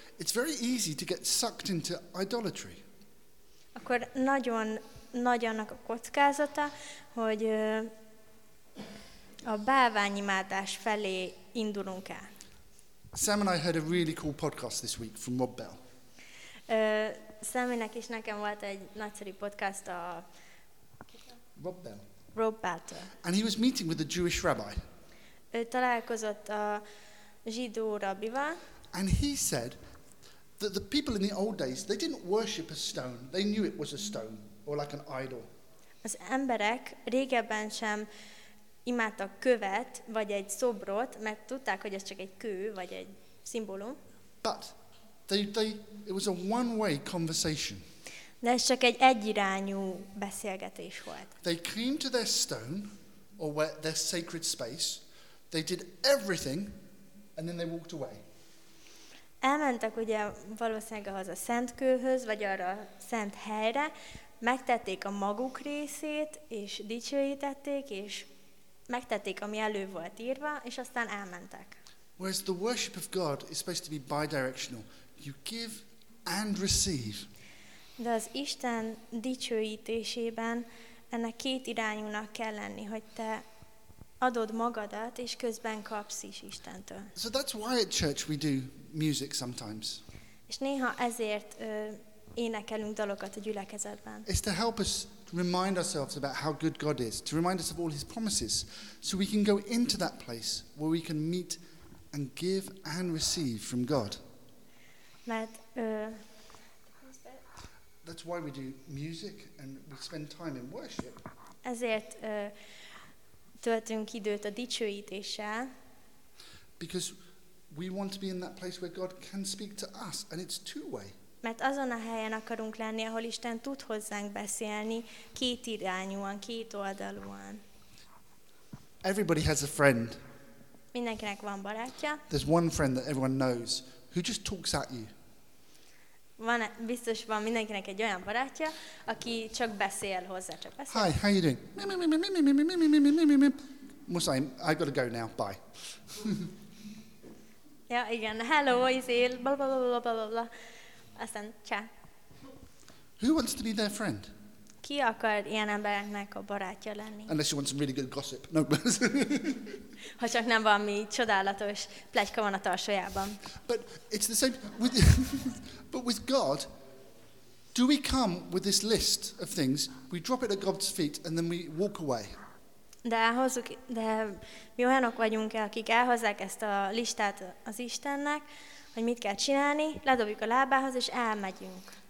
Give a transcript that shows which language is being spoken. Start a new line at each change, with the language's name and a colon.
English: It's very easy to get sucked into idolatry.
Hungarian: Akkor nagyon nagy annak a kockázata, hogy a bálványimádás felé indulunk el.
English: Sam and I heard a really cool podcast this week from Rob Bell.
Hungarian: Saminek is nekem volt egy nagyszerű podcast a Rob Bell. Rob Bell.
English: And he was meeting with a Jewish rabbi.
Hungarian: Ő találkozott a zsidó rabbival.
English: And he said that the people in the old days, they didn't worship a stone. They knew it was a stone or like an idol.
Hungarian: Az emberek régebben sem imádtak követ vagy egy szobrot, mert tudták, hogy ez csak egy kő vagy egy szimbólum.
English: But it was a one-way conversation.
Hungarian: De ez csak egy egyirányú beszélgetés volt.
English: They came to their stone or their sacred space. They did everything and then they walked away.
Hungarian: Elmentek ugye valószínűleg ahhoz a szent kőhöz vagy arra a szent helyre, megtették a maguk részét és dicsőítették és megtették, ami elő volt írva, és aztán elmentek.
English: Whereas the worship of God is supposed to be bidirectional. You give and receive.
Hungarian: De az Isten dicsőítésében ennek két irányúnak kell lenni, hogy te adod magadat, és közben kapsz is Istentől.
English: So that's why at church we do music sometimes.
Hungarian: És néha ezért énekelünk dalokat a gyülekezetben.
English: It's to help us remind ourselves about how good God is, to remind us of all his promises, so we can go into that place where we can meet and give and receive from God.
Hungarian: Mert,
English: that's why we do music and we spend time in worship.
Hungarian: Ezért töltünk időt a dicsőítéssel.
English: Because we want to be in that place where God can speak to us, and it's two-way.
Hungarian: Mert azon a helyen akarunk lenni, ahol Isten tud hozzánk beszélni két irányúan, két oldalúan.
English: Everybody has a friend.
Hungarian: Mindenkinek van barátja.
English: There's one friend that everyone knows who just talks at you.
Hungarian: Van, biztos van mindenkinek egy olyan barátja, aki csak beszél hozzá, csak beszél.
English: Hi, how you doing? Most I've got to go now. Bye.
Hungarian: Ja, igen. Hello, Isil. Blah, blah, blah, blah, blah, blah. Aztán, csá.
English: Who wants to be their friend?
Hungarian: Ki akar ilyen embereknek a barátja lenni?
English: Unless you want some really good gossip. No.
Hungarian: Ha csak nem valami csodálatos pletyka van a tarsójában.
English: But it's the same with but with God, do we come with this list of things, we drop it at God's feet, and then we walk away?
Hungarian: De mi olyanok vagyunk, akik elhozzák ezt a listát az Istennek, hogy mit kell csinálni, ledobjuk a lábához, és elmegyünk.